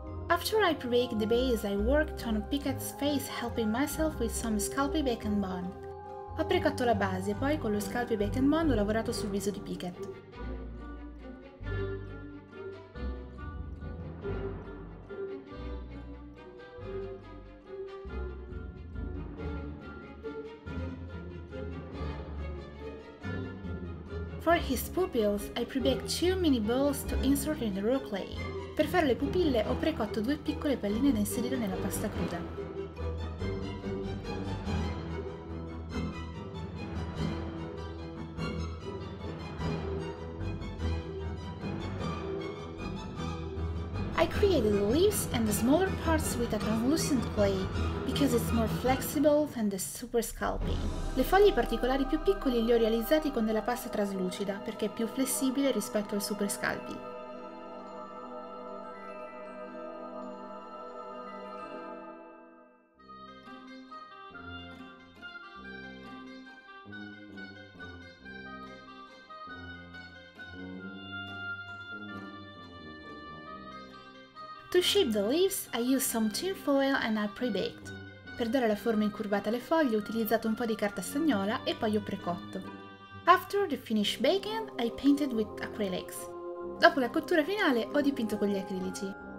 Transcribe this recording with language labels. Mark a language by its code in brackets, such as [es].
[en] After I pre-baked the base, I worked on Pickett's face, helping myself with some Sculpey Bacon Bond. [it] Ho precotto la base, poi con lo Sculpey Bacon Bond ho lavorato sul viso di Pickett. [en] For his pupils, I pre-baked two mini balls to insert in the raw clay. [it] Per fare le pupille ho precotto due piccole palline da inserire nella pasta cruda. [en] I created the leaves and the smaller parts with a translucent clay because it's more flexible than the super sculpey. [it] Le foglie particolari più piccole le ho realizzate con della pasta traslucida perché è più flessibile rispetto al super sculpey. [en] To shape the leaves, I used some tin foil and I pre-baked. [it] Per dare la forma incurvata alle foglie, ho utilizzato un po' di carta stagnola e poi ho precotto. [en] After the finished baking, I painted with acrylics. [it] Dopo la cottura finale, ho dipinto con gli acrilici.